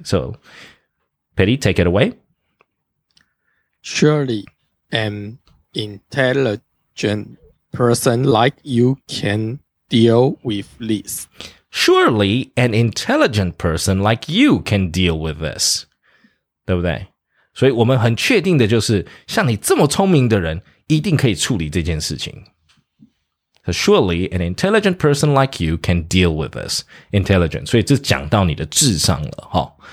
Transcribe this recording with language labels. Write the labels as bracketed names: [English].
[English] So, Patty, take it away. Surely an intelligent person like you can deal with this. Surely an intelligent person like you can deal with this. [Chinese] 对不对？所以我们很确定的就是，像你这么聪明的人，一定可以处理这件事情。 [English] So surely an intelligent person like you can deal with this. Intelligent. [Chinese] 所以这讲到你的智商了，哈。